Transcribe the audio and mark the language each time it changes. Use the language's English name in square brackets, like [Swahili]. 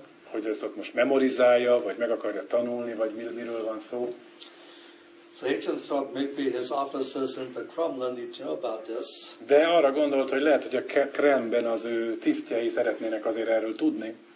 [Hungarian] Hogy ezt ott most memorizálja, vagy meg akarja tanulni, vagy miről van szó. [English] Satan thought maybe his offices in the Kremlin need to know about this. [Hungarian] De arra gondolt, hogy lehet, hogy a Kremlben az ő tisztjei szeretnének azért erről tudni.